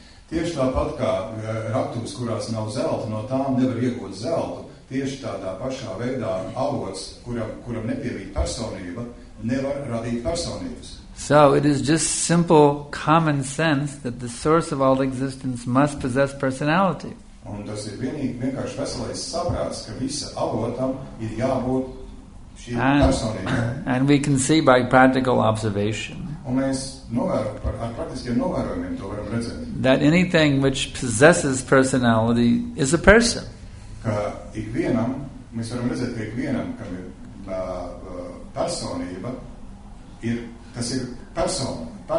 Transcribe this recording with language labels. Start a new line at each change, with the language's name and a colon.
Latvian: Tieši tāpat kā raktuves, kurās nav zelta, no tām nevar iegūt zeltu, tieši tādā pašā veidā avots, kuram nepievīt personība, nevar radīt personības.
English: So it is just simple common sense that the source of all existence must possess personality.
Latvian: Un tas ir vienkārši veselais saprāts, ka visa avotam ir jābūt šī personība.
English: And we can see by practical observation.
Latvian: Un mēs ar praktiskiem novērojumiem to varam redzēt.
English: That anything which possesses personality is a person.
Latvian: Ka ikvienam, mēs varam redzēt, ka ikvienam, kam ir personība, ir, tas ir personība.